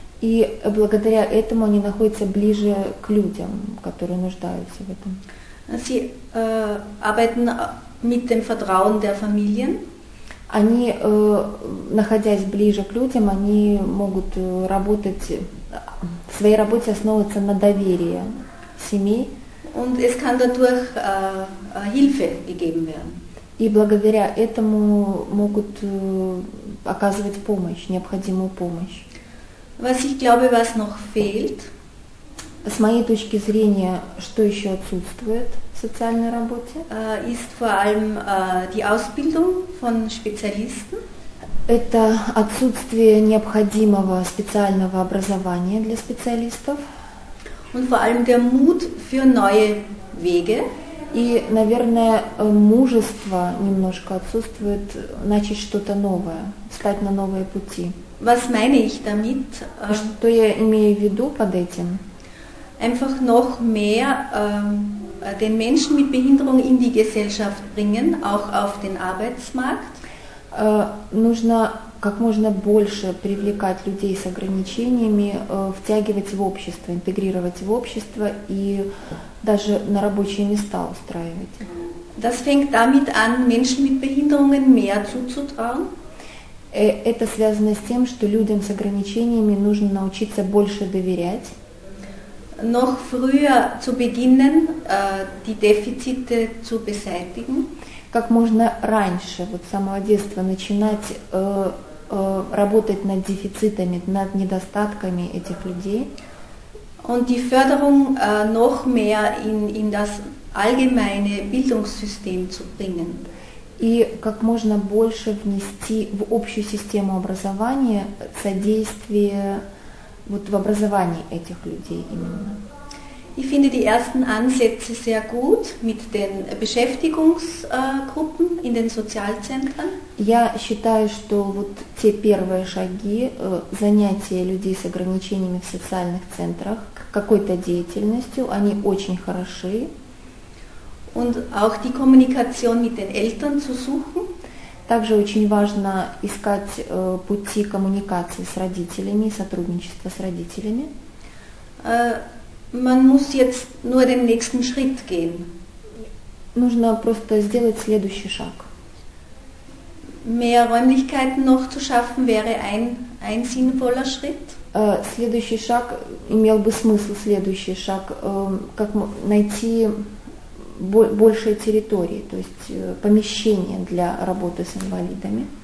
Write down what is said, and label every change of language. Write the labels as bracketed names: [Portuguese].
[Russian] И благодаря этому они находятся ближе к людям, которые нуждаются в этом. [German] Sie arbeiten mit dem Vertrauen der Familien. [Russian] Они, находясь ближе к людям, они могут работать, в своей работе основываться на доверии семьи. [German] Und es kann dadurch Hilfe gegeben werden. [Russian] И благодаря этому могут оказывать помощь, необходимую помощь. [German] Was ich glaube, was noch fehlt. [Russian] С моей точки зрения, что еще отсутствует в социальной работе? [German] Ist vor allem die Ausbildung von Spezialisten. [Russian] Это отсутствие необходимого специального образования для специалистов. [German] Und vor allem der Mut für neue Wege. [Russian] И, наверное, мужество немножко отсутствует, начать что-то новое, встать на новые пути. [German] Was meine ich damit? [Russian] Что я имею в виду под этим? [German] Einfach noch mehr den Menschen mit Behinderung in die Gesellschaft bringen, auch auf den Arbeitsmarkt. [Russian] Нужно как можно больше привлекать людей с ограничениями, втягивать в общество, интегрировать в общество и даже на рабочие места устраивать. [German] Das fängt damit an, Menschen mit Behinderungen mehr zuzutrauen. [Russian] Это связано с тем, что людям с ограничениями нужно научиться больше доверять. [German] Noch früher zu beginnen, die Defizite zu beseitigen. [Russian] Как можно раньше, вот с самого детства, начинать работать над дефицитами, над недостатками этих людей. [German] Und die Förderung noch mehr in das allgemeine Bildungssystem zu bringen. [Russian] И как можно больше внести в общую систему образования содействие вот в образовании этих людей именно. [German] Ich finde die ersten Ansätze sehr gut mit den Beschäftigungsgruppen in den Sozialzentren. [Russian] Я считаю, что вот те первые шаги, занятия людей с ограничениями в социальных центрах какой-то деятельностью, они очень хороши. [German] Und auch die Kommunikation mit den Eltern zu suchen. [Russian] Также очень важно искать пути коммуникации с родителями, сотрудничество с родителями. [German] Man muss jetzt nur den nächsten Schritt gehen. [Russian] Нужно просто сделать следующий шаг. [German] Mehr Räumlichkeiten noch zu schaffen wäre ein sinnvoller Schritt. [Russian] Следующий шаг имел бы смысл, следующий шаг, как найти большие территории, то есть помещения для работы с инвалидами.